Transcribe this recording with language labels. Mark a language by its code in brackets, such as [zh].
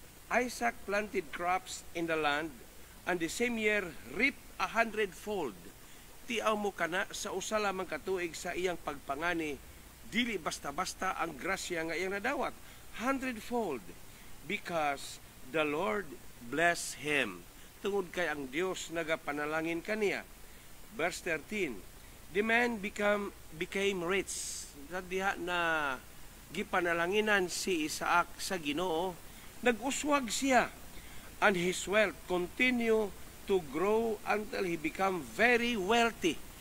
[en] Isaac planted crops in the land and the same year reaped 100-fold. [ceb] Tiaw mo kana sa usa lamang katuig sa iyang pagpangani, dili basta-basta ang grasya nga iyang nadawat. [en] 100-fold because the Lord bless him. [ceb] Tungod kay ang Dios nagapanalangin kaniya. [en] Verse 13, the man became rich. [ceb] Sa diha na gipanalanginan si Isaac sa Ginoo, naguswag siya, [en] and his wealth continue to grow until he become very wealthy.